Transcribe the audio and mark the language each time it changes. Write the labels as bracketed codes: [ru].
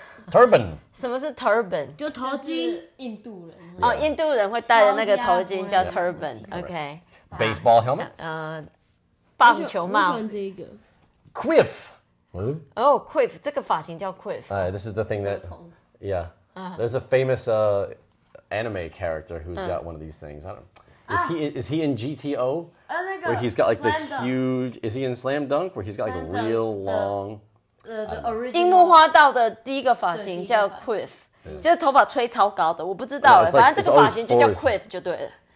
[en] Turban， [zh] 什么是 turban？就头巾，印度人哦， yeah. 印度人会戴的那个头巾叫 turban。Yeah, OK， [en] Baseball helmet. [zh] 棒球帽。我喜欢这个。 [en] Quiff. Oh, quiff. [zh] 这个发型叫 quiff. [en] This is the thing that. Yeah. There's a famous anime character who's got one of these things. I don't. Is he in GTO? Where he's got like the huge. Is he in Slam Dunk? Where he's got like a real long. The original. [zh] 樱木花道的第一个发型叫 quiff. 就是头发吹超高的，我不知道了。反正这个发型就叫 quiff 就对了。